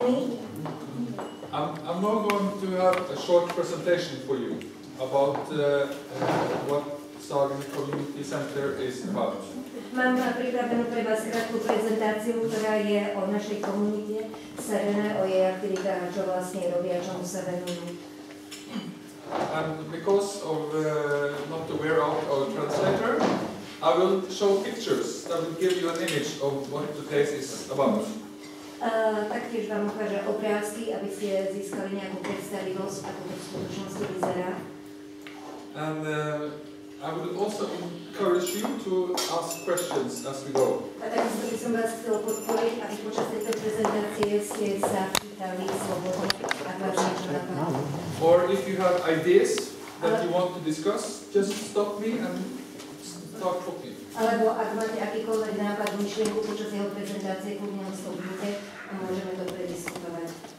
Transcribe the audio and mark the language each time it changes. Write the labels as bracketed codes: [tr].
[en] I'm now going to have a short presentation for you about what Sagan Community Center is about. [sk] Mám pripravenú pre vás krátku prezentáciu, ktorá je o našej komunite Sagana, o jej aktivitách, čo vlastne robia, čomu sa venujú. [en] And because of not to wear out our translator, I will show pictures that will give you an image of what the case is about. [sk] Taktiež vám ukážem obrázky, aby ste získali nejakú predstavivosť, ako to v skutočnosti vyzerá. [en] And I would also encourage you to ask questions as we go. [sk] A tak by som vás chcel podporiť, aby počas tejto prezentácie ste sa pýtali slobodne, ak vás niečo napadá. [en] Or if you have ideas that you want to discuss, just stop me and talk for me. [sk] Alebo ak máte akýkoľvek nápad, myšlienku počas jeho prezentácie, kľudne ho stopnite a môžeme to prediskutovať.